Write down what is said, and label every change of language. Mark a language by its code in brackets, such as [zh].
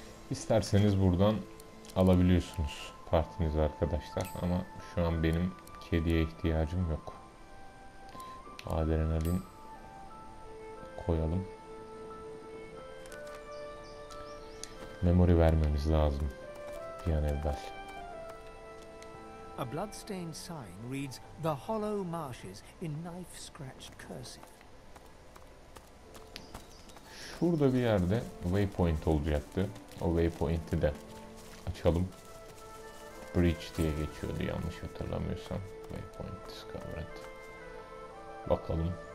[tr] İsterseniz buradan alabiliyorsunuz partinizi arkadaşlar ama şu an benim kediye ihtiyacım yok. Adrenalin koyalım. memory vermemiz lazım bir an evvel. [en] A bloodstained sign reads "The Hollow Marshes" in knife-scratched cursive. [tr] Şurada bir yerde waypoint olacaktı. O waypoint'i de açalım. Bridge diye geçiyordu yanlış hatırlamıyorsam. [en] Waypoint discovered. [tr] Bakalım.